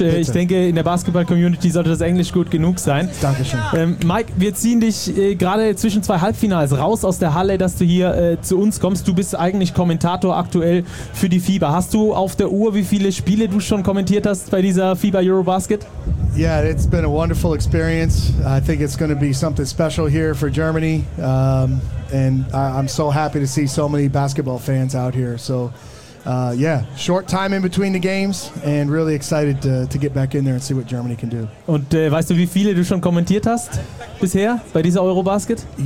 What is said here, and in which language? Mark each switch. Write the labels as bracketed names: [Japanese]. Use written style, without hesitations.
[German] Ich denke, in der Basketball-Community sollte das Englisch gut genug sein. Dankeschön. Mike, wir ziehen dich gerade zwischen zwei Halbfinals raus aus der Halle, dass du hier zu uns kommst. Du bist eigentlich Kommentator aktuell für die FIBA. Hast du auf der Uhr, wie viele Spiele du schon kommentiert hast bei dieser FIBA Eurobasket? [English] Yeah, it's been a wonderful experience. I think it's going to be something special here for Germany. And I'm so happy to see so many basketball fans out here. So, short time in between the games and really excited to get back in there and see what Germany can do. [German] Und weißt du, wie viele du schon kommentiert hast bisher bei dieser Eurobasket?